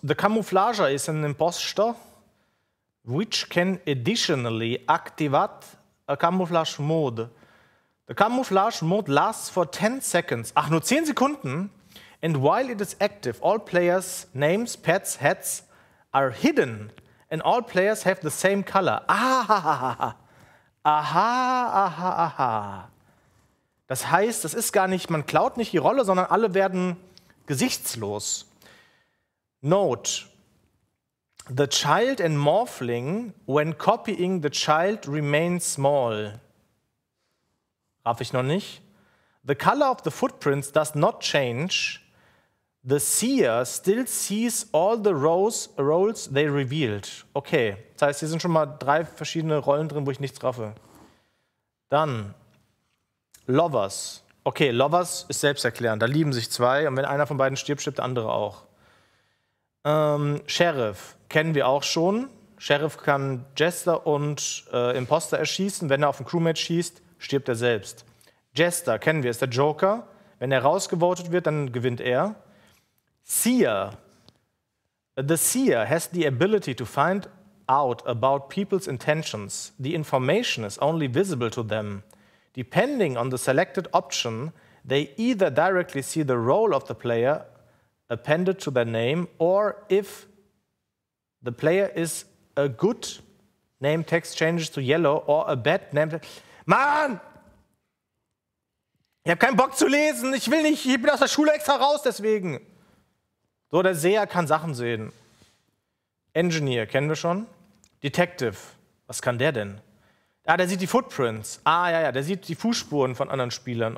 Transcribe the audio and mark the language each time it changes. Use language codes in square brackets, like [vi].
[en] The Camouflager is an Impostor, which can additionally activate a Camouflage Mode. The Camouflage Mode lasts for 10 seconds. [de] Ach, nur 10 Sekunden? [en] And while it is active, all players' names, pets, hats are hidden and all players have the same color. Ah, aha. [de] Das heißt, das ist gar nicht, man klaut nicht die Rolle, sondern alle werden gesichtslos. [en] Note: The child and morphling, when copying the child, remain small. [de] Raff ich noch nicht. [en] The color of the footprints does not change. The seer still sees all the roles they revealed. [de] Okay, das heißt, hier sind schon mal drei verschiedene Rollen drin, wo ich nichts raffe. Dann Lovers. Okay, Lovers ist selbsterklärend. Da lieben sich zwei und wenn einer von beiden stirbt, stirbt der andere auch. Sheriff kennen wir auch schon. Sheriff kann Jester und Imposter erschießen. Wenn er auf einen Crewmate schießt, stirbt er selbst. Jester kennen wir, ist der Joker. Wenn er rausgevotet wird, dann gewinnt er. Seer. [en] The seer has the ability to find out about people's intentions. The information is only visible to them. Depending on the selected option, they either directly see the role of the player appended to their name or if the player is a good name, text changes to yellow or a bad name. [de] Mann! Ich habe keinen Bock zu lesen. Ich will nicht. Ich bin aus der Schule extra raus, deswegen. So, der Seher kann Sachen sehen. Engineer, kennen wir schon. Detective, was kann der denn? Ah, der sieht die Footprints. Ah, ja, der sieht die Fußspuren von anderen Spielern.